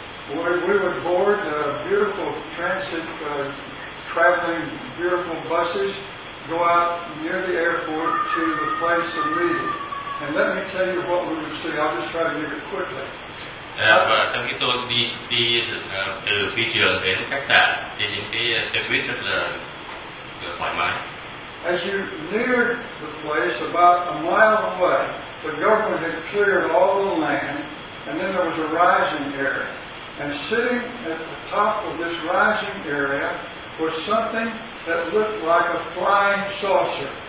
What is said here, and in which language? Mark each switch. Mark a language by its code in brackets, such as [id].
[en] We would board the beautiful transit traveling beautiful buses, go out near the airport to the place of meeting. And let me tell you what we would see. I'll just try to give it quickly. [vi] Và trong khi tôi đi từ phi trường đến khách sạn thì những cái xe buýt rất là thoải mái. [en] As you neared the place about a mile away, the government had cleared all the land and then there was a rising area. And sitting at the top of this rising area was something that looked like a flying saucer.